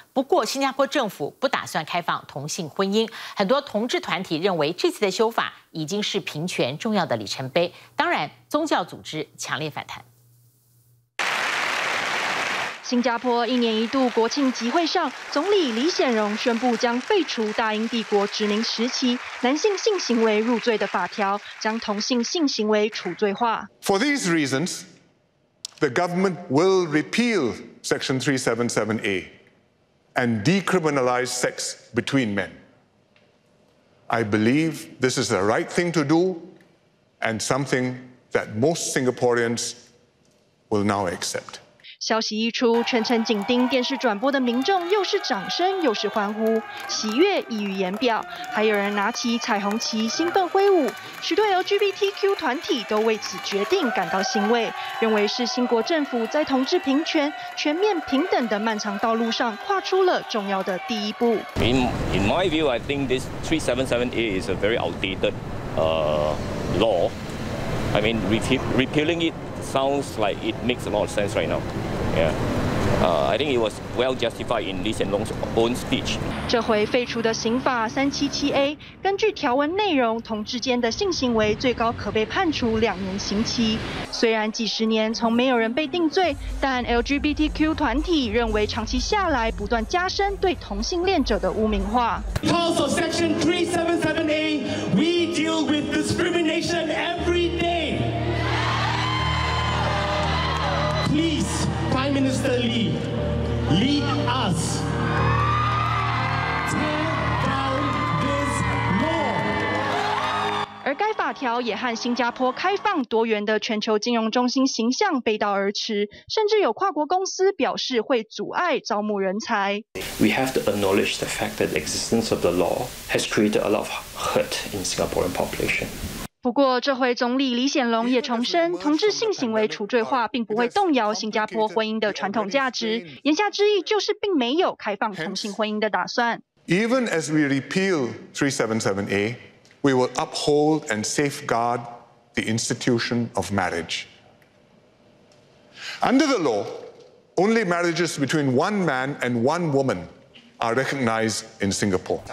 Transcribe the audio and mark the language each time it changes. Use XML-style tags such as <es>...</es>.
<zh>不过新加坡政府不打算开放同性婚姻，很多同志团体认为这次的修法已经是平权重要的里程碑，当然宗教组织强烈反弹。新加坡一年一度国庆集会上，总理李显荣宣布将废除大英帝国殖民时期男性性行为入罪的法条，将同性性行为处罪化。</zh> <en>For these reasons, the government will repeal Section 377A and decriminalize sex between men. I believe this is the right thing to do and something that most Singaporeans will now accept.</en> <zh>消息一出，全程紧盯电视转播的民众又是掌声又是欢呼，喜悦溢于言表，还有人拿起彩虹旗兴奋挥舞，许多 LGBTQ 团体都为此决定感到欣慰，认为是新国政府在同志平权全面平等的漫长道路上跨出了重要的第一步。</zh> <en>In my view, I think this 377A is a very outdated law. I mean, repealing itSounds like it makes a lot of sense right now. Yeah. I think it was well justified in Lee Hsien-loong's own speech.</en> <zh>这回废除的刑法 377A， 根据条文内容，同志间的性行为最高可被判处两年刑期。虽然几十年从没有人被定罪，但 LGBTQ 团体认为长期下来不断加深对同性恋者的污名化。</zh> <en>Because of Section 377A, we deal with discrimination every day. Prime Minister Lee, lead us. Tear down this law.</en> <zh>而该法条也和新加坡开放多元的全球金融中心形象背道而驰，甚至有跨国公司表示会阻碍招募人才。</zh> <en>We have to acknowledge the fact that the existence of the law has created a lot of hurt in Singaporean population.</en> <zh>不过这回总理李显龙也重申，同志性行为除罪化并不会动摇新加坡婚姻的传统价值，言下之意就是并没有开放同性婚姻的打算。</zh> <en>Even as we repeal 377A, we will uphold and safeguard the institution of marriage. Under the law, only marriages between one man and one womanare recognized in Singapore.</en>